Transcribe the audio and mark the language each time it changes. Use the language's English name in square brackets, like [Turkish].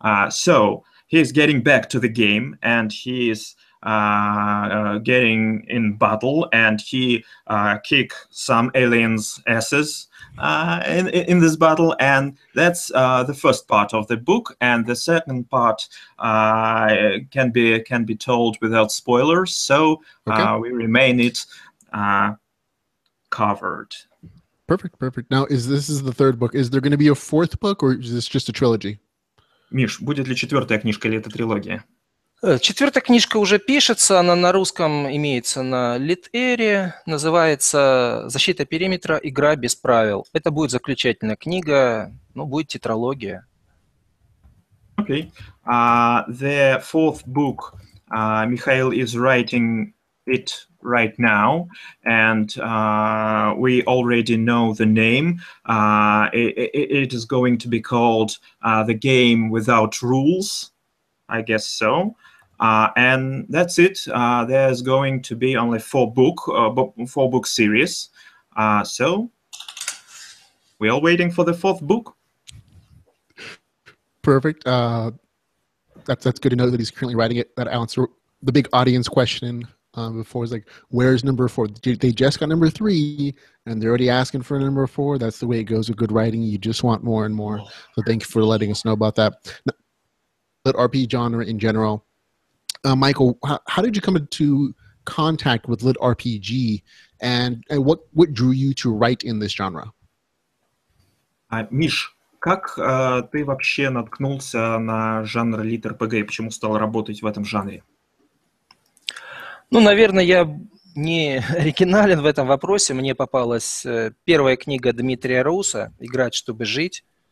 [English] So he's getting back to the game, and he is getting in battle, and he kick some aliens' asses in this battle, and that's the first part of the book. And the second part can be told without spoilers, so okay. We remain it covered. Perfect. Now, this is the third book. Is there going to be a fourth book, or is this just a trilogy? [Russian] Миш, будет ли четвертая книжка или это трилогия? Четвертая книжка уже пишется, она на русском имеется на Литэре, называется «Защита периметра. Игра без правил». Это будет заключательная книга, ну, будет тетралогия. [English] Okay. The fourth book, Michael is writing it right now, and we already know the name. It is going to be called «The Game Without Rules», I guess so. And that's it. There's going to be only four book series. So we're all waiting for the fourth book. Perfect. That's good to know that he's currently writing it. That answer the big audience question before is like, where's number four? They just got number three, and they're already asking for number four. That's the way it goes with good writing. You just want more and more. So thank you for letting us know about that. But RP genre in general. Michael, how did you come into contact with LitRPG, and what drew you to write in this genre? [Russian] Миш, как ты вообще наткнулся на жанр LitRPG и почему стал работать в этом жанре? Ну, наверное, я не оригинален в этом вопросе. Мне попалась первая книга Дмитрия Руса «Играть, чтобы жить».